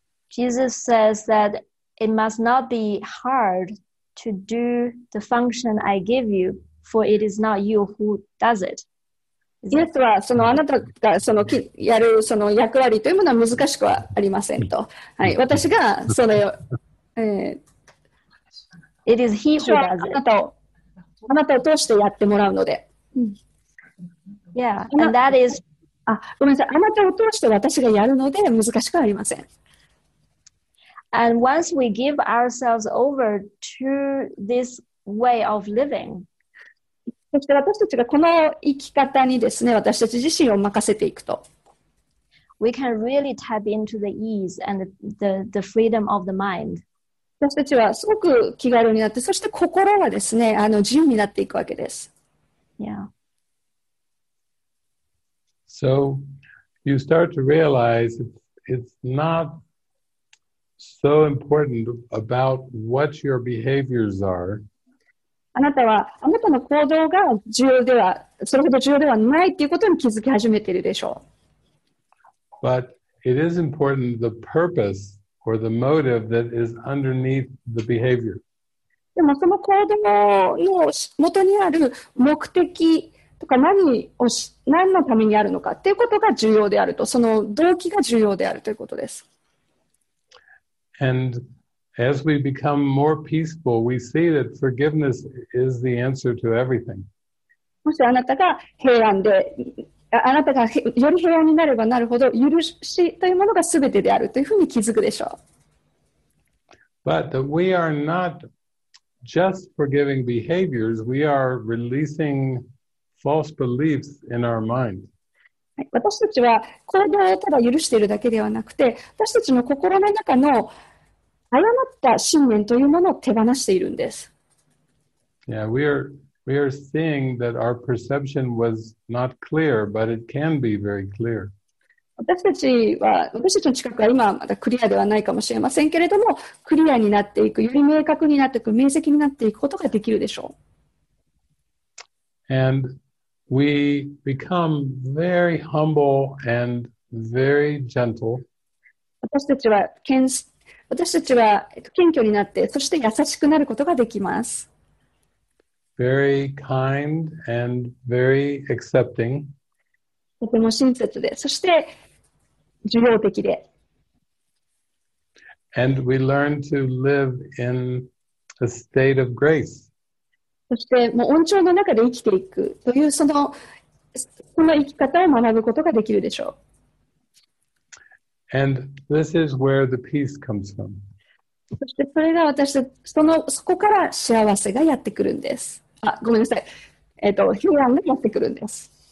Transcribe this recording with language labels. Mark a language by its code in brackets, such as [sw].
[en] Jesus says that it must not be hard. To do the function I give you, for it is not you who does it. [ja] イエスはそのあなたがそのやるその役割というものは難しくはありませんと。はい、私がそれを、 [en] It is he who does it. [ja] あなたを通してやってもらうので。 [en] Yeah, and that is. [ja] あ、ごめんなさい。あなたを通して私がやるので難しくはありません。 [en] And once we give ourselves over to this way of living, [ja] そして私たちがこの生き方にですね、私たち自身を任せていくと、 [en] we can really tap into the ease and the freedom of the mind. [ja] 私たちはすごく気軽になって、そして心はですね、自由になっていくわけです。 [en] Yeah. So you start to realize it's not. So important about what your behaviors are. [ja] あなたは、あなたの行動が重要では、それほど重要ではないということに気づき始めているでしょう。 [en] But it is important the purpose or the motive that is underneath the behavior. [ja] でもその行動の元にある目的とか何のためにあるのかということが重要であると、その動機が重要であるということです。 [en] And as we become more peaceful, we see that forgiveness is the answer to everything. [ja] もしあなたが平安で、あなたがより平安になればなるほど、許しというものが全てであるというふうに気づくでしょう。 [en] But we are not just forgiving behaviors, we are releasing false beliefs in our mind. [ja] 私たちは行動をただ許しているだけではなくて、私たちの心の中の誤った信念というものを手放しているんです。 [en] Yeah, we are seeing that our perception was not clear, but it can be very clear. [ja] 私たちの知覚は今はまだクリアではないかもしれませんけれども、クリアになっていく、より明確になっていく、明晰になっていくことができるでしょう。 [en] And we become very humble and very gentle. [ja] 私たちは私たちは謙虚になって、そして優しくなることができます。 [en] Very kind and very accepting. [ja] とても親切で、そして受容的で。 [en] And we learn to live in a state of grace. [ja] そしてもう恩寵の中で生きていくというその生き方を学ぶことができるでしょう。 [en] And this is where the peace comes from. [ja] そしてそれが私たち、そこから幸せがやってくるんです。あ、ごめんなさい。平安がやってくるんです。